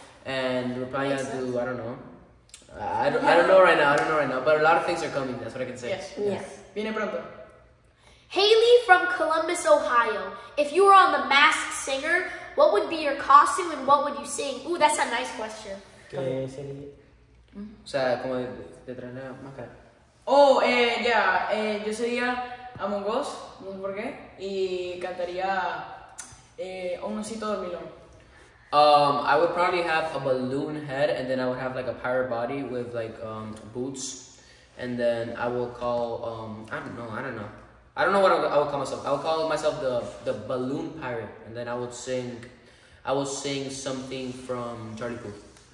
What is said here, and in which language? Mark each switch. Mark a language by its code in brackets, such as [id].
[en] And we're probably going to do, I don't know. I don't know right now, but a lot of things are coming, that's what I can say. [es] Viene pronto. [en] Haley from Columbus, Ohio. If you were on The Masked Singer, what would be your costume and what would you sing? Ooh, that's a nice question. [es] Yo sería Among Us, no sé por qué, y cantaría Un Osito Dormilón. [en] I would probably have a balloon head, and then I would have like a pirate body with like boots, and then I will call I will call myself the balloon pirate, and then I will sing something from Charlie Puth.